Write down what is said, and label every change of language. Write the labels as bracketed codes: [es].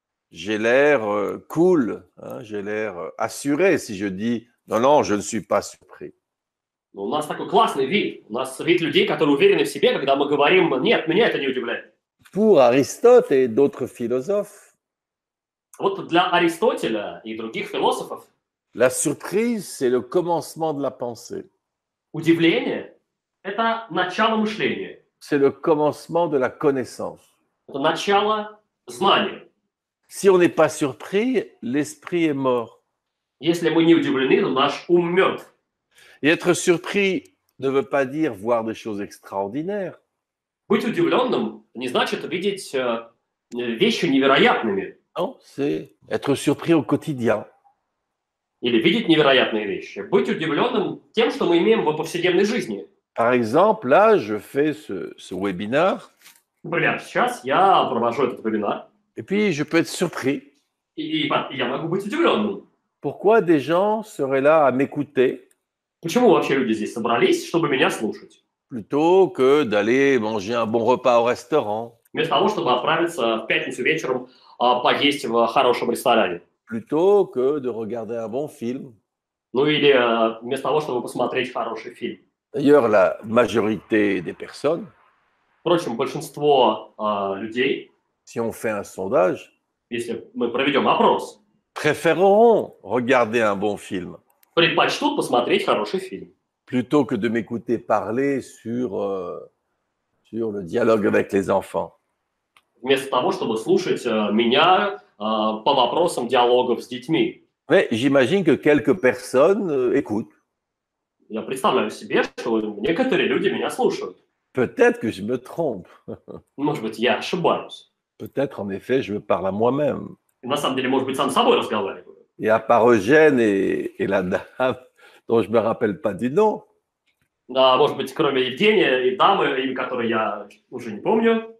[fr] J'ai l'air cool, hein? J'ai l'air assuré si je dis non, non, je ne suis pas surpris. [ru] Ну, у нас такой классный вид, у нас вид людей, которые уверены в себе, когда мы говорим, нет, меня это не удивляет. [fr] Pour Aristote et d'autres philosophes. [ru] Вот для Аристотеля и других философов. [fr] La surprise, c'est le commencement de la pensée. [ru] Удивление. Это начало мышления. [fr] C'est le commencement de la connaissance. [ru] Это начало знания. [fr] Si on n'est pas surpris, l'esprit est mort. [ru] Если мы не удивлены, то наш ум мертв. [fr] Et être surpris ne veut pas dire voir des choses extraordinaires. [ru] Быть удивленным не значит видеть вещи невероятными. [fr] Non, c'est être surpris au quotidien. [ru] Или видеть невероятные вещи. Быть удивленным тем, что мы имеем в повседневной жизни. [fr] Par exemple, là, je fais ce webinar. [ru] Блин, сейчас я провожу этот вебинар. [fr] Et puis, je peux être surpris. [ru] И я могу быть удивленным. [fr] Pourquoi des gens seraient là à m'écouter? [ru] Почему вообще люди здесь собрались, чтобы меня слушать? [fr] Plutôt que d'aller manger un bon repas au restaurant. [ru] Вместо того, чтобы отправиться в пятницу вечером поесть в хорошем ресторане. [fr] Plutôt que de regarder un bon film. [ru] Ну или вместо того, чтобы посмотреть хороший фильм. [fr] D'ailleurs, la majorité des personnes, [ru] впрочем, большинство людей, [fr] si on fait un sondage, [ru] если мы проведем опрос, [fr] préféreront regarder un bon film, [ru] предпочтут посмотреть хороший фильм, [fr] plutôt que de m'écouter parler sur le dialogue avec les enfants. [ru] Вместо того, чтобы слушать меня по вопросам диалогов с детьми. [fr] Mais j'imagine que quelques personnes écoutent. [ru] Я представляю себе, что некоторые люди меня слушают. [fr] Peut-être que je me trompe. [ru] Может быть, я ошибаюсь. [fr] Peut-être, en effet, je parle à moi-même. [ru] На самом деле, может быть, сам с собой разговариваю. [fr] Et à part Eugène et la dame, dont je ne me rappelle pas du nom. [ru] Да, может быть, кроме Евгения и дамы, имя которой я уже не помню.